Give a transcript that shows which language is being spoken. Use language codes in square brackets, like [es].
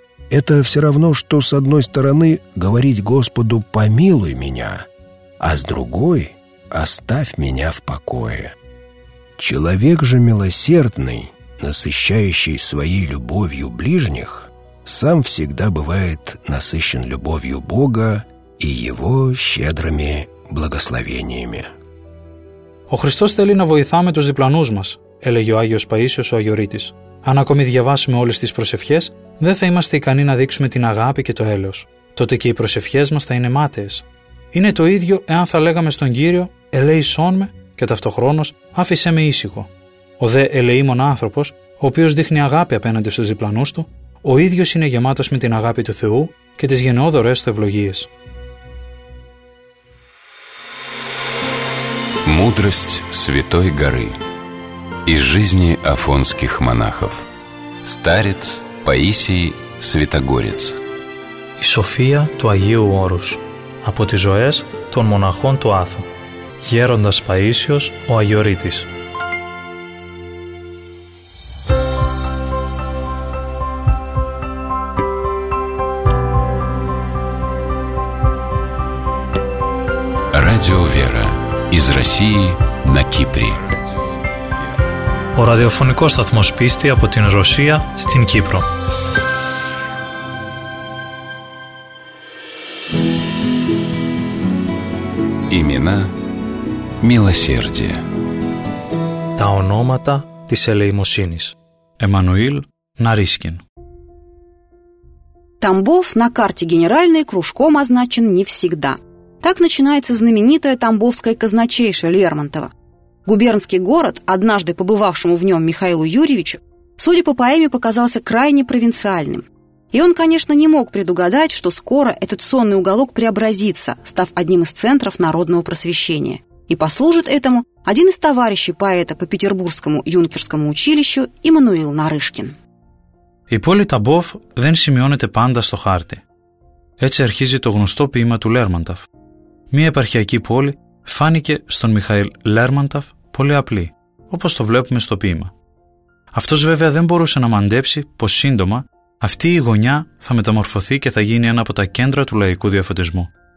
[ru] Это все равно, что с одной стороны говорить Господу «помилуй меня», а с другой «оставь меня в покое». Человек же милосердный, насыщающий своей любовью ближних, сам всегда бывает насыщен любовью Бога и Его щедрыми благословениями. [el] «Ο Χριστός θέλει να βοηθάμε τους διπλανούς μας», έλεγε ο Άγιος Παΐσιος ο Αγιορείτης. «Αν ακόμη διαβάσουμε όλες τις προσευχές, δεν θα είμαστε ικανοί να δείξουμε την αγάπη και το έλεος. Τότε και οι προσευχές μας θα είναι μάταιες. Είναι το ίδιο εάν θα λέγαμε στον Κύριο «ελέησόν με» και ταυτοχρόνως «άφησέ με ήσυχο». Ο δε ελεήμων άνθρωπος, ο οποίος δείχνει αγάπη απέναντι στους διπλανούς του, ο ίδιος είναι γεμάτος με την αγάπη του Θεού και τις γενναιόδωρές του ευλογίες». [ru] Мудрость Святой Горы из жизни афонских монахов. Старец Паисий Святогорец. [el] И София του Αγίου Όρους από τις ζωές των μοναχών του Άθου. Γέροντας Παΐσιος ο Αγιορείτης. [ru] Радио Вера. Из России на Кипре. [el] Ο ραδιοφωνικός σταθμός πίστη από την Ρωσία στην Κύπρο. [ru] Имена милосердия. [el] Τα ονόματα της ελεημοσύνης. Εμμανουήλ Ναρίσκιν. [ru] Тамбов на карте генеральной кружком означен не всегда. Так начинается знаменитая тамбовская казначейша Лермонтова. Губернский город, однажды побывавшему в нем Михаилу Юрьевичу, судя по поэме, показался крайне провинциальным. И он, конечно, не мог предугадать, что скоро этот сонный уголок преобразится, став одним из центров народного просвещения. И послужит этому один из товарищей поэта по петербургскому юнкерскому училищу Иммануил Нарышкин. «И поле [el] Тамбов δεν σημειώνεται πάντα στο χάρτη». Έτσι αρχίζει το γνωστό ποίημα του Лермонтова. Μία επαρχιακή πόλη φάνηκε στον Μιχαήλ Λέρμανταφ πολύ απλή, όπως το βλέπουμε στο ποίημα. Αυτός βέβαια δεν μπορούσε να μαντέψει πως σύντομα αυτή η γωνιά θα μεταμορφωθεί και θα γίνει ένα από τα κέντρα του λαϊκού διαφωτισμού.